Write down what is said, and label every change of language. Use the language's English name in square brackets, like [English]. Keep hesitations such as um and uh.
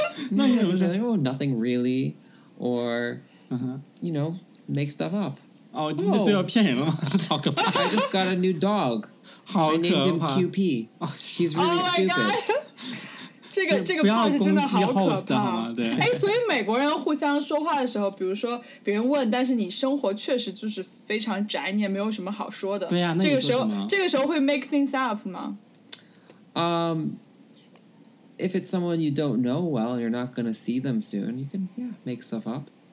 [Chinese] 那你怎么觉得？ [English] Oh, nothing really. Or you know, make stuff up. [Chinese] 哦，那最后骗人了吗？好可怕！ [English] I oh, oh, just got a new dog. I named him QP. He's really oh stupid. God. [Chinese] 这个这个 p 胖是真的好可怕，对，哎，所以美国人互相说话的时候，比如说别人问，但是你生活确实就是非常宅，你也没有什么好说的，对呀。那这个时候，这个时候会 [English] make things up [Chinese] 吗？ [English] 嗯，If it's someone you don't know well you're not going to see them soon, you can yeah make stuff up.